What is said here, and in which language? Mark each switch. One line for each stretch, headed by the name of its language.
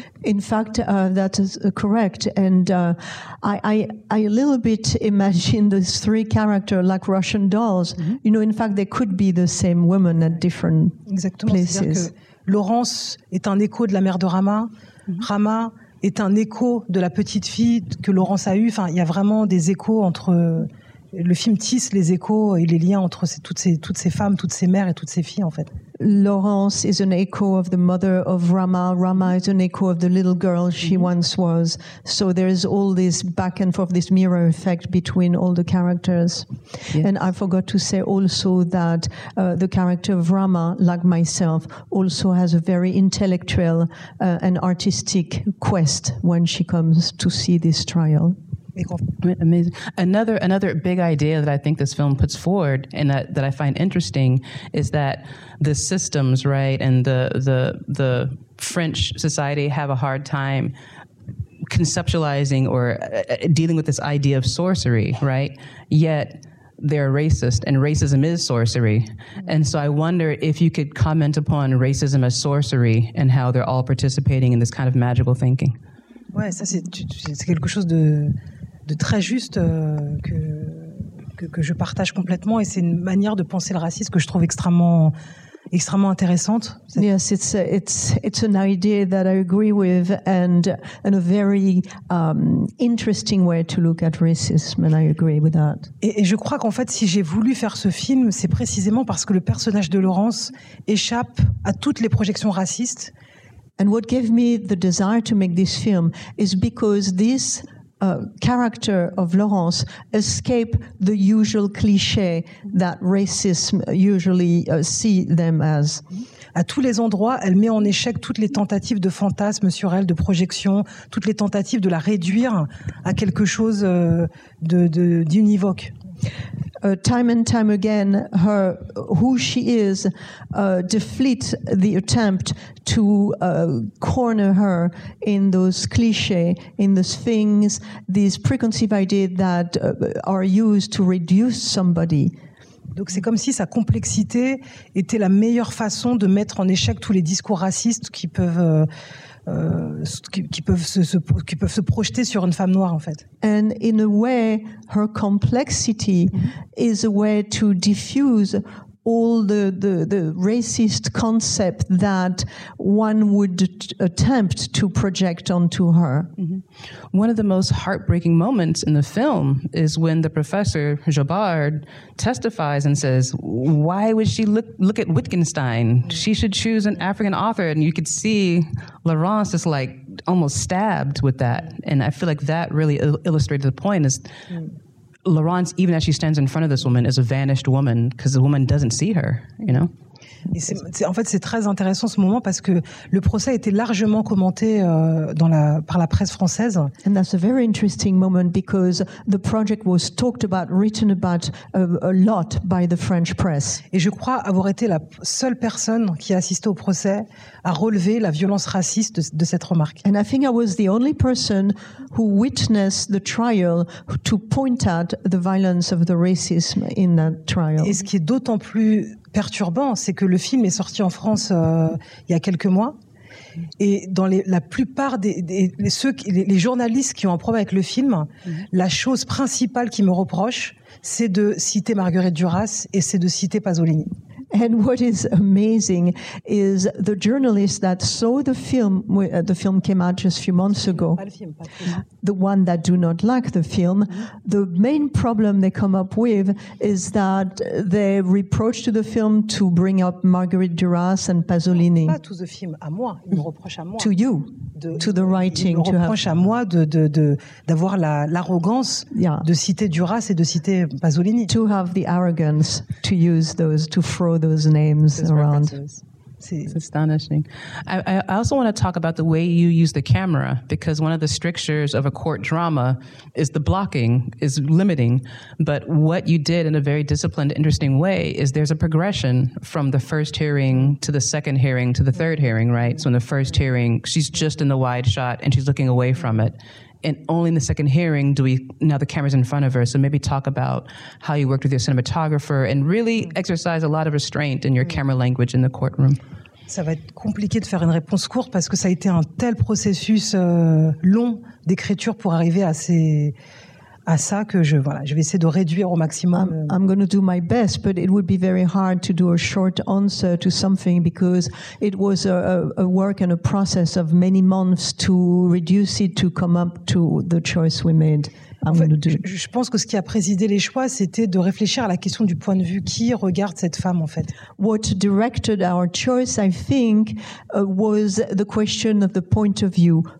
English: In fact, that is correct. And I a little bit imagine those three characters like Russian dolls. Mm-hmm. You know, in fact, they could be the same women at different
French: Exactement.
English: Places.
French: C'est-à-dire que Laurence est un écho de la mère de Rama. Mm-hmm. Rama est un écho de la petite fille que Laurence a eue. Enfin, il y a vraiment des échos entre... Le film tisse les échos et les liens entre toutes ces femmes, toutes ces mères et toutes ces filles, en fait.
English: Laurence is an echo of the mother of Rama. Rama is an echo of the little girl she mm-hmm. once was. So there is all this back and forth, this mirror effect between all the characters. Yes. And I forgot to say also that the character of Rama, like myself, also has a very intellectual and artistic quest when she comes to see this trial. Amazing. Another big idea that I think this film puts forward, and that I find interesting, is that the systems, right, and the French society have a hard time conceptualizing or dealing with this idea of sorcery, right? Yet they're racist, and racism is sorcery. And so I wonder if you could comment upon racism as sorcery and how they're all participating in this kind of magical thinking.
French: Ouais, ça c'est quelque chose de très juste que je partage complètement, et c'est une manière de penser le racisme que je trouve extrêmement extrêmement intéressante.
English: Yes, it's an idea that I agree with and a very interesting way to look at racism, and I agree with that.
French: Et je crois qu'en fait, si j'ai voulu faire ce film, c'est précisément parce que le personnage de Laurence échappe à toutes les projections racistes.
English: And what gave me the desire to make this film is because this character of Laurence escape the usual cliché that racism usually see them as.
French: À tous les endroits, elle met en échec toutes les tentatives de fantasmes sur elle, de projections, toutes les tentatives de la réduire à quelque chose d'univoque.
English: Time and time again, her who she is deflates the attempt to corner her in those clichés, in those things, these preconceived ideas that are used to reduce somebody.
French: Donc c'est comme si sa complexité était la meilleure façon de mettre en échec tous les discours racistes qui peuvent se projeter sur une femme noire en fait.
English: And in a way, her complexity is a way to diffuse all the racist concept that one would attempt to project onto her. Mm-hmm. One of the most heartbreaking moments in the film is when the professor, Jobard, testifies and says, why would she look at Wittgenstein? She should choose an African author. And you could see Laurence is like almost stabbed with that. And I feel like that really illustrated the point is, Laurence, even as she stands in front of this woman, is a vanished woman because the woman doesn't see her, you know?
French: Et c'est, en fait, c'est très intéressant ce moment parce que le procès a été largement commenté par la presse française.
English: And that's a very interesting moment because the project was talked about, written about a lot by the French press.
French: Et je crois avoir été la seule personne qui a assisté au procès à relever la violence raciste de cette remarque.
English: And I think I was the only person who witnessed the trial to point out the violence of the racism in that trial.
French: Et ce qui est d'autant plus perturbant, c'est que le film est sorti en France il y a quelques mois, et dans la plupart des journalistes qui ont un problème avec le film, la chose principale qui me reproche, c'est de citer Marguerite Duras et c'est de citer Pasolini.
English: And what is amazing is the journalists that saw the film, the film came out just a few months ago, the one that do not like the film, the main problem they come up with is that they reproach to the film to bring up Marguerite Duras and Pasolini.
French: Pas
English: to the film,
French: à moi. Il me reproche à moi.
English: To you, to the writing.
French: Il me reproche à moi d'avoir l'arrogance de citer Duras et de citer Pasolini.
English: To have the arrogance to use those, to throw those names around. It's astonishing. I also want to talk about the way you use the camera, because one of the strictures of a court drama is the blocking, is limiting. But what you did in a very disciplined, interesting way is there's a progression from the first hearing to the second hearing to the third hearing, right? So in the first hearing, she's just in the wide shot and she's looking away from it. And only in the second hearing now the camera's in front of her. So maybe talk about how you worked with your cinematographer and really exercise a lot of restraint in your camera language in the courtroom.
French: Ça va être compliqué de faire une réponse courte parce que ça a été un tel processus long d'écriture pour arriver à ces... à ça que je vais essayer de réduire au maximum.
English: I'm going to do my best, but it would be very hard to do a short answer to something because it was a work and a process of many months to reduce it to come up to the choice we made.
French: Je pense que ce qui a présidé les choix, c'était de réfléchir à la question du point de vue qui regarde cette femme, en fait.
English: What directed our choice, I think, was the question of the point of view.